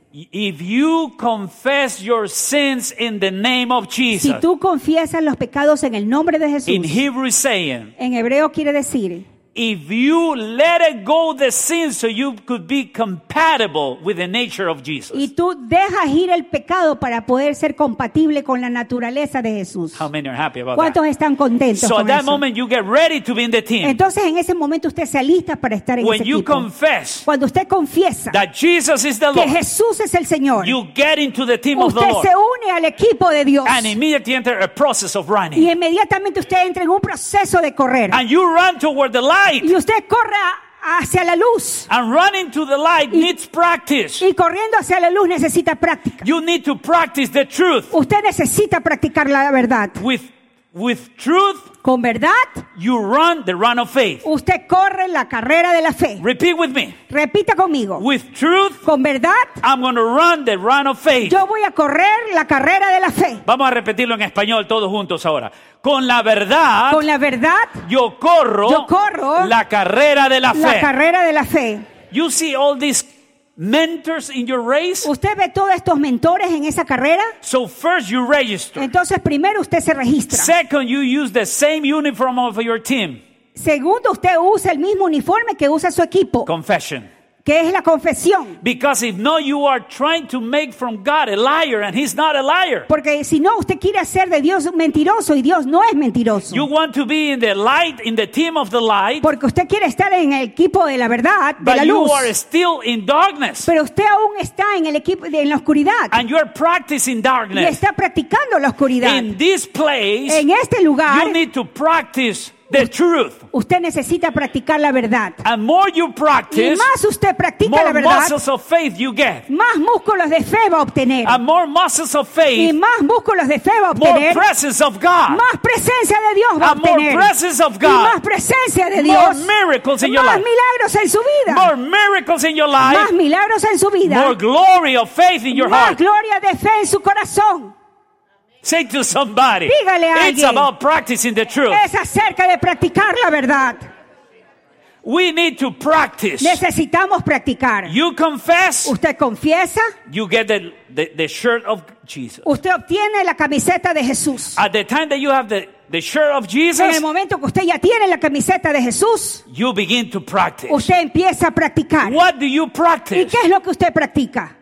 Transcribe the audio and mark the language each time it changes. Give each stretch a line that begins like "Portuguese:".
English: if you confess your sins in the name of Jesus,
Spanish: si tú confiesas los pecados en el nombre de Jesús,
English: in Hebrew saying,
Spanish: en hebreo quiere decir,
English: if you let it go the sin so you could be compatible with the nature of Jesus.
Spanish: Y tú dejas ir el pecado para poder ser compatible con la naturaleza de Jesús.
English: How many are happy about
Spanish: ¿Cuántos
English: that?
Spanish: Están contentos
English: so
Spanish: con
English: at that
Spanish: eso?
English: Moment you get ready to be in the team.
Spanish: Entonces en ese momento usted se alista para estar en
English: when
Spanish: ese
English: you
Spanish: equipo.
English: Confess
Spanish: cuando usted confiesa
English: that Jesus is the Lord,
Spanish: que Jesús es el Señor,
English: you get into the team
Spanish: usted
English: of the Lord.
Spanish: Se une al equipo de Dios.
English: And immediately enter a process of running.
Spanish: Y inmediatamente usted entra en un proceso de correr.
English: And you run toward the light.
Spanish: Y usted corre hacia la luz.
English: And running to the light needs practice.
Spanish: Y corriendo hacia la luz necesita práctica.
English: You need to practice the truth.
Spanish: Usted necesita practicar la verdad.
English: With truth,
Spanish: con verdad,
English: you run the run of faith.
Spanish: Usted corre la carrera de la fe.
English: Repeat with me.
Spanish: Repita conmigo.
English: With truth,
Spanish: con verdad,
English: I'm going to run the run of faith.
Spanish: Yo voy a correr la carrera de la fe. Vamos a repetirlo en español todos juntos ahora. Con la verdad, yo corro la carrera de la fe. La carrera de la fe.
English: You see all these mentors in your race?
Spanish: ¿Usted ve todos estos mentores en esa carrera?
English: So first you register.
Spanish: Entonces primero usted se registra.
English: Second, you use the same uniform of your team.
Spanish: Segundo, usted usa el mismo uniforme que usa su equipo.
English: Confession.
Spanish: ¿Qué es la confesión?
English: Because if no, you are trying to make from God a liar, and He's not a liar.
Spanish: Porque si no, usted quiere hacer de Dios mentiroso y Dios no es mentiroso.
English: You want to be in the light, in the team of the light.
Spanish: Porque usted quiere estar en el equipo de la verdad, de
English: but
Spanish: la luz.
English: But you are still in darkness.
Spanish: Pero usted aún está en el equipo de, en la oscuridad.
English: And you are practicing darkness.
Spanish: Y está practicando la oscuridad.
English: In this place,
Spanish: en este lugar,
English: you need to practice the truth.
Spanish: Usted necesita practicar la verdad.
English: And more you practice,
Spanish: y más usted practica
English: more
Spanish: la verdad,
English: muscles of faith you get.
Spanish: Más músculos de fe va a obtener.
English: And more muscles of faith,
Spanish: y más músculos de fe va a obtener.
English: More presence of God,
Spanish: más presencia de Dios va
English: and
Spanish: a obtener.
English: More presence of God,
Spanish: y más presencia de
English: more
Spanish: Dios.
English: Miracles in your
Spanish: más
English: life.
Spanish: Milagros en su vida.
English: More miracles in your life,
Spanish: más milagros en su vida.
English: More glory of faith in your
Spanish: más
English: heart.
Spanish: Gloria de fe en su corazón.
English: Say to somebody,
Spanish: dígale a alguien,
English: it's about practicing the truth.
Spanish: Es acerca de practicar la verdad.
English: We need to practice.
Spanish: Necesitamos practicar.
English: You confess.
Spanish: Usted confiesa.
English: You get the shirt of Jesus.
Spanish: Usted obtiene la camiseta de Jesús.
English: At the time that you have the shirt of Jesus,
Spanish: en el momento que usted ya tiene la camiseta de Jesús,
English: you begin to practice.
Spanish: Usted empieza a practicar.
English: What do you practice?
Spanish: ¿Y qué es lo que usted practica?